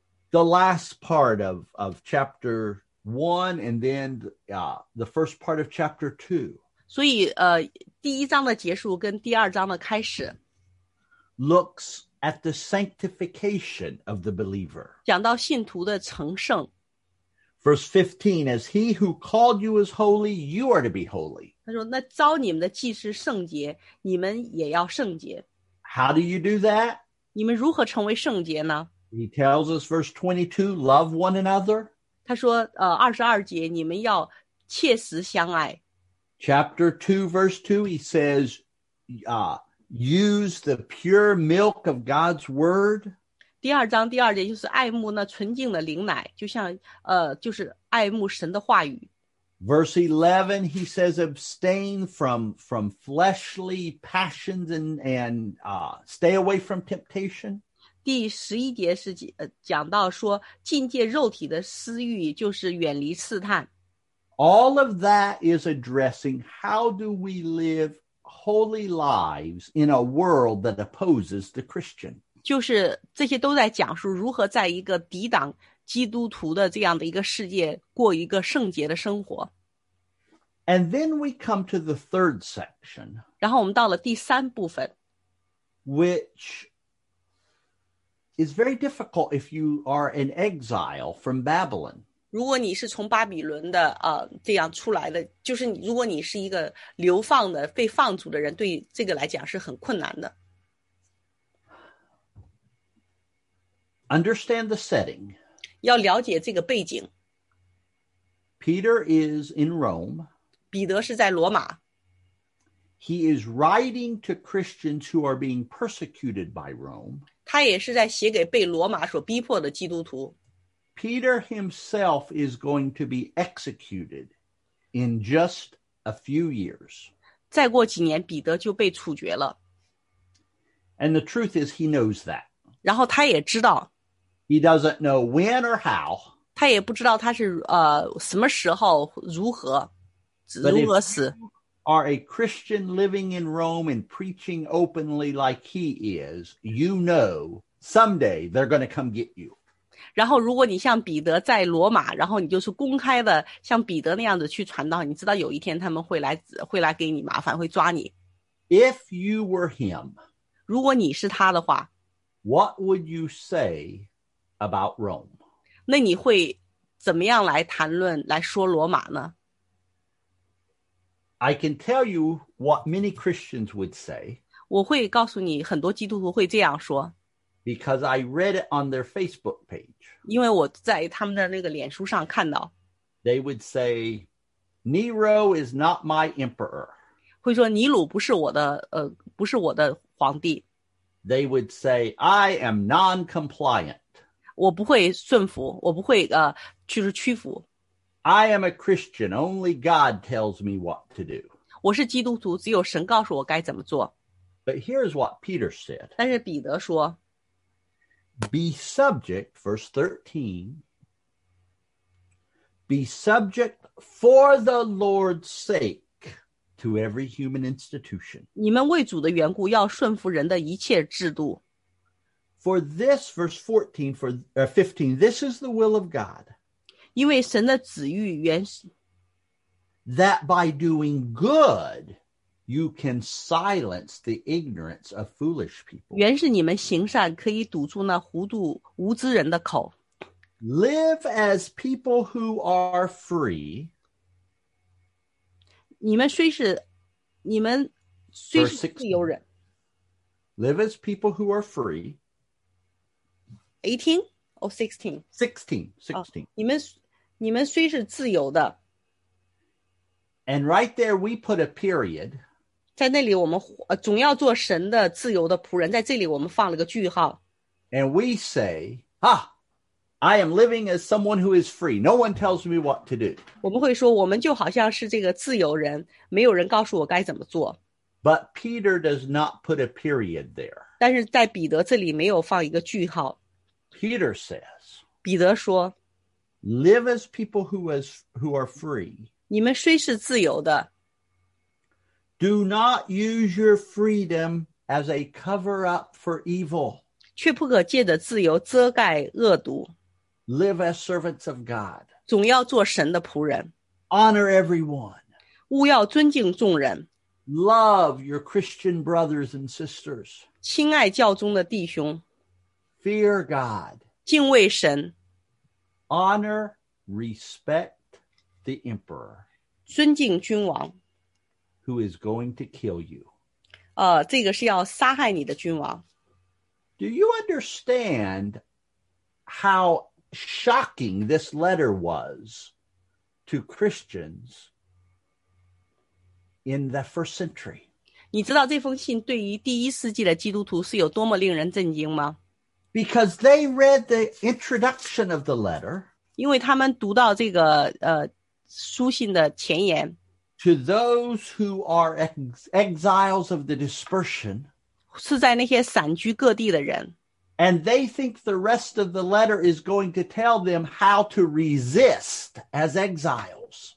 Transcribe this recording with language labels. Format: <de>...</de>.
<en>The last part of chapter 1 and then the first part of chapter 2.</en> <zh>所以第一章的结束跟第二章的开始。</zh> <en>Looks at the sanctification of the believer.</en> <zh>讲到信徒的成圣。</zh> <en>Verse 15, as he who called you is holy, you are to be holy.</en> <zh>他说那招你们的既是圣洁，你们也要圣洁。</zh> <en>How do you do that?</en> <zh>你们如何成为圣洁呢？</zh> <en>He tells us verse 22, love one another.</en> <zh>他说22节你们要切实相爱。</zh> <en>Chapter 2 verse 2, he says, use the pure milk of God's word.</en> <zh>第二章第二节就是爱慕那纯净的灵奶，就像就是爱慕神的话语。</zh> <en>Verse 11, he says, abstain from fleshly passions and stay away from temptation.</en> <zh>第十一节是讲到说禁戒肉体的私欲，就是远离试探。</zh> <en>All of that is addressing how do we live holy lives in a world that opposes the Christian.</en> <zh>就是这些都在讲述如何在一个抵挡基督徒的这样的一个世界过一个圣洁的生活。</zh> <en>And then we come to the third section.</en> <zh>然后我们到了第三部分。</zh> <en>Which is very difficult if you are an exile from Babylon.</en> <zh>如果你是从巴比伦的这样出来的，就是如果你是一个流放的被放逐的人，对这个来讲是很困难的。</zh> <en>Understand the setting.</en> <zh>要了解这个背景。</zh> <en>Peter is in Rome.</en> <zh>彼得是在罗马。</zh> <en>He is writing to Christians who are being persecuted by Rome.</en> <zh>他也是在写给被罗马所逼迫的基督徒。</zh> <en>Peter himself is going to be executed in just a few years.</en> <zh>再过几年，彼得就被处决了。</zh> <en>And the truth is, he knows that.</en> <zh>然后他也知道。</zh> <en>He doesn't know when or how.</en> <zh>他也不知道他是什么时候如何死。</zh> <en>Are a Christian living in Rome and preaching openly like he is, you know, someday they're going to come get you.</en> <zh>然后如果你像彼得在罗马，然后你就是公开的像彼得那样子去传道，你知道有一天他们会来给你麻烦，会抓你。</zh> <en>If you were him,</en> <zh>如果你是他的话，</zh> <en>What would you say about Rome?</en> <zh>那你会怎么样来谈论，来说罗马呢？</zh> <en>I can tell you what many Christians would say.</en> <zh>我会告诉你很多基督徒会这样说。</zh> <en>Because I read it on their Facebook page.</en> <zh>因为我在他们的那个脸书上看到。</zh> <en>They would say, Nero is not my emperor.</en> <zh>会说尼鲁不是我的不是我的皇帝。</zh> <en>They would say, I am non-compliant.</en> <zh>我不会顺服，我不会就是屈服。</zh> <en>I am a Christian, only God tells me what to do.</en> <zh>我是基督徒，只有神告诉我该怎么做。</zh> <en>But here's what Peter said.</en> <zh>但是彼得说</zh> <en>Be subject, verse 13, be subject for the Lord's sake to every human institution.</en> <zh>你们为主的缘故要顺服人的一切制度。</zh> <en>For this, verse 14, for, 15, this is the will of God.</en> <zh>因为神的旨意原始</zh> <en>That by doing good,You can silence the ignorance of foolish people.</en> <zh>原是你们行善可以堵住那糊涂无知人的口。</zh> <en>Live as people who are free.</en> <zh>你们虽是自由人。</zh> <en>Live as people who are free. 18 or 16? 16. 16.</en> <zh>你们虽是自由的。</zh> <en>And right there we put a period.</en> <zh>在那里我们总要做神的自由的仆人在这里我们放了个句号</zh> <en>And we say, ah, I am living as someone who is free. No one tells me what to do.</en> <zh>我们会说我们就好像是这个自由人没有人告诉我该怎么做</zh> <en>But Peter does not put a period there.</en> <zh>但是在彼得这里没有放一个句号</zh> <en>Peter says,</en> <zh>彼得说</zh> <en>Live as people who are free.</en> <zh>你们虽是自由的</zh> <en>Do not use your freedom as a cover up for evil.</en> <zh>却不可借着自由遮盖恶毒。</zh> <en>Live as servants of God.</en> <zh>总要做神的仆人。</zh> <en>Honor everyone.</en> <zh>务要尊敬众人。</zh> <en>Love your Christian brothers and sisters.</en> <zh>亲爱教宗的弟兄。</zh> <en>Fear God.</en> <zh>敬畏神。</zh> <en>Honor, respect the emperor.</en> <zh>尊敬君王。</zh> <en>Who is going to kill you?</en> <zh>这个是要杀害你的君王。</zh> <en>Do you understand how shocking this letter was to Christians in the first century?</en> <zh>你知道这封信对于第一世纪的基督徒是有多么令人震惊吗？</zh> <en>Because they read the introduction of the letter.</en> <zh>因为他们读到这个书信的前言。</zh> <en>To those who are exiles of the dispersion,</en> <zh>是在那些散居各地的人</zh> <en>and they think the rest of the letter is going to tell them how to resist as exiles.</en>